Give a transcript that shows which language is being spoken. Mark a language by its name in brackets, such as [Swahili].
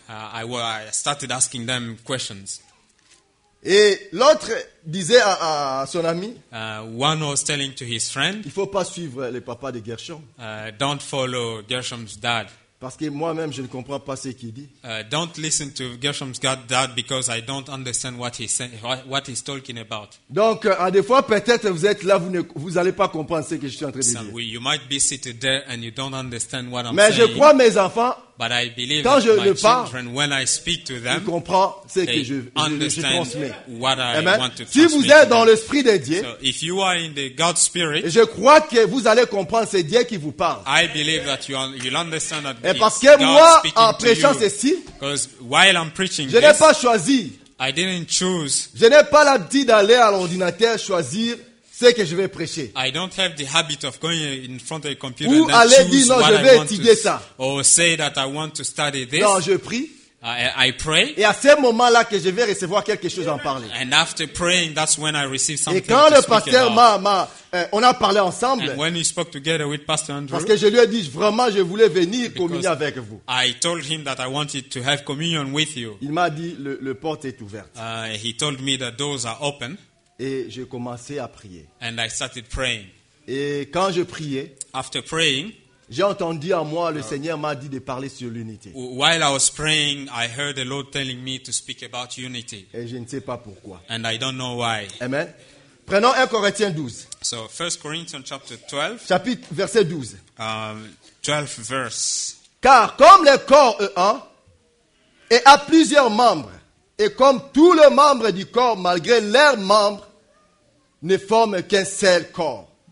[English] I started asking them questions. [French] Et l'autre disait à son ami. [English] One was telling to his friend. [French] Il faut pas suivre le papa de Gershom. [English] Don't follow Gershom's dad. [French] Parce que moi-même, je ne comprends pas ce qu'il dit. [English] Don't listen to Gershom's dad because I don't understand what he's talking about. [French] Donc, à des fois, peut-être vous êtes là, vous n'allez pas comprendre ce que je suis en train de dire. [English] Some, you might be seated there and you don't understand what I'm [French] mais [English] saying. [French] Mais je crois mes enfants. [English] But I believe [French] quand je le parle, [English] when I speak to them, [French] ils comprennent ce que je transmets. [English] What I amen. Want to [French] si vous êtes dans l'esprit de Dieu, [English] so if you are in the God spirit, [French] je crois que vous allez comprendre ce Dieu qui vous parle. [English] I believe that you'll understand that. [French] Et parce que moi, en prêchant ceci, [English] while I'm preaching [French] je n'ai pas choisi. [English] I didn't choose. [French] Je n'ai pas l'habitude d'aller à l'ordinateur choisir ce que je vais prêcher. [English] I don't have the habit of going in front of a computer [French] ou aller dire non, je vais étudier ça. [English] Or say that I want to study this. [French] Non, je prie. [English] I pray. [French] Et à ce moment-là que je vais recevoir quelque chose en parler. [English] And after praying, that's when I receive something. [French] Et quand [English] to [French] le [English] speak [French] pasteur [English] about. [French] On a parlé ensemble. [English] And when we spoke together with Pastor Andrew. [French] Parce que je lui ai dit vraiment, je voulais venir communier avec vous. [English] I told him that I wanted to have communion with you. [French] Il m'a dit le porte est ouverte. [English] He told me that doors are open. [French] Et j'ai commencé à prier. [English] And I started praying. [French] Et quand je priais, [English] after praying, [French] j'ai entendu en moi le Seigneur m'a dit de parler sur l'unité. [English] While I was praying, I heard the Lord telling me to speak about unity. [French] Et je ne sais pas pourquoi. [English] And I don't know why. [French] Amen. Prenons 1 Corinthiens 12. [English] So 1 Corinthians chapter 12. [French] Chapitre verset 12. [English] 12 verse. [French] Car comme le corps est un et a plusieurs membres. Et comme tous les membres du corps, malgré leurs membres, ne forment qu'un seul corps.